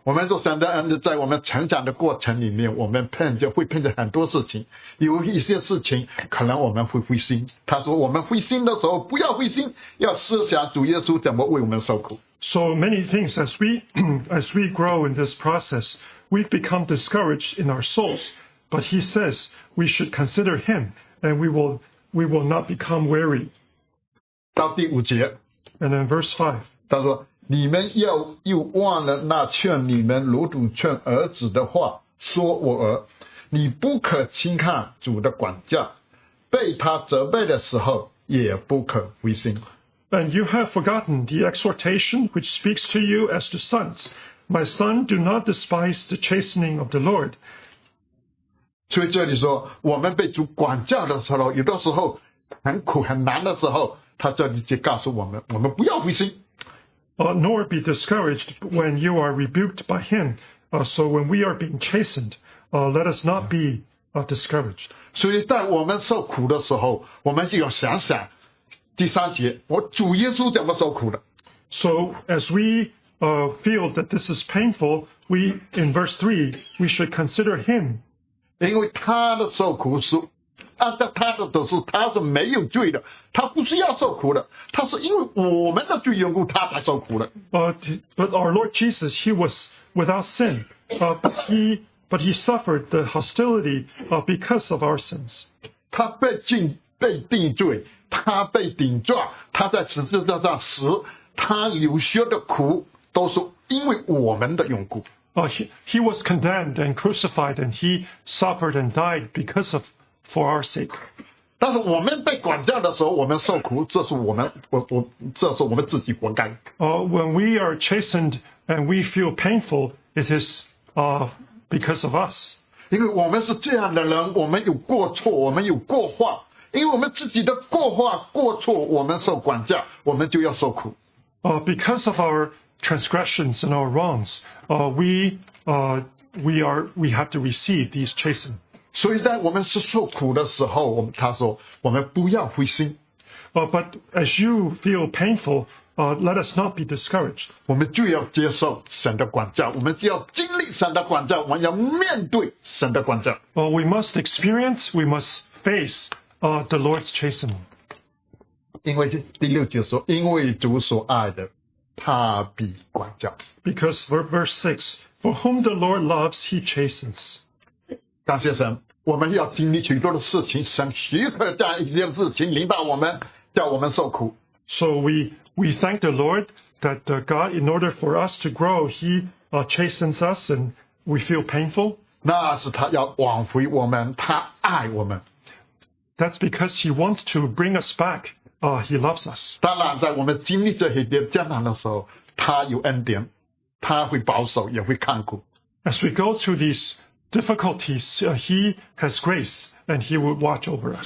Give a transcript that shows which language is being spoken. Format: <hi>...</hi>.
<zh>我们说神的恩在我们成长的过程里面，我们碰见会碰见很多事情，有一些事情可能我们会灰心。他说我们灰心的时候不要灰心，要思想主耶稣怎么为我们受苦。</zh> <en>So many things as we, as we grow in this process, we've become discouraged in our souls. But he says we should consider him and we will not become weary.</en> <zh>到第五节。</zh> <en>And then verse 5.</en> <zh>他说你们要又忘了那劝你们如同劝儿子的话说我儿。你不可轻看主的管教，被他责备的时候也不可灰心。</zh> <en>And you have forgotten the exhortation which speaks to you as to sons. My son, do not despise the chastening of the Lord.</en> <zh>所以这里说，我们被主管教的时候，有的时候很苦很难的时候，他这里就告诉我们，我们不要灰心。</zh> <en>Nor be discouraged when you are rebuked by him. So when we are being chastened, let us not be discouraged.</en> <zh>所以在我们受苦的时候，我们就要想想第三节，我主耶稣怎么受苦的。</zh> <en>So as we feel that this is painful, we in verse 3, we should consider him.</en> <zh>因为他的受苦是按照他的都是他是没有罪的，他不是要受苦的，他是因为我们的罪缘故他才受苦的。</zh> <en>But our Lord Jesus, he was without sin, but he suffered the hostility because of our sins.</en> <zh>他被定罪，他被顶撞，他在十字架上死，他流血的苦都是因为我们的缘故。</zh> <en>He was condemned and crucified, and he suffered and died because of for our sake.</en> <zh>但是我们被管教的时候，我们受苦，这是我们自己活该。</zh> <en>When we are chastened and we feel painful, it is because of us.</en> <zh>因为我们是这样的人，我们有过错，我们有过话。因为我们自己的过话过错，我们受管教，我们就要受苦。</zh> <en>Because of our transgressions and our wrongs, we have to receive these chastening.</en> <zh>所以在我们是受苦的时候，他说我们不要灰心。</zh> <en>But as you feel painful, let us not be discouraged.</en> <zh>我们就要接受神的管教，我们就要经历神的管教，我们要面对神的管教。</zh> <en>We must experience, we must face. The Lord's chastening.</en> <zh>因为第六节说，因为主所爱的，他必管教。</zh> <en>Because verse 6, for whom the Lord loves, he chastens.</en> <zh>感谢神，我们要经历许多的事情，神许可这样一件事情临到我们，叫我们受苦。</zh> <en>So we thank the Lord that God, in order for us to grow, he chastens us and we feel painful.</en> <zh>那是他要挽回我们，他爱我们。</zh> <en>That's because he wants to bring us back. He loves us.</en> <zh>当然在我们经历这些艰难的时候，他有恩典，他会保守，也会看顾。</zh> <en>As we go through these difficulties, he has grace and he will watch over us.</en>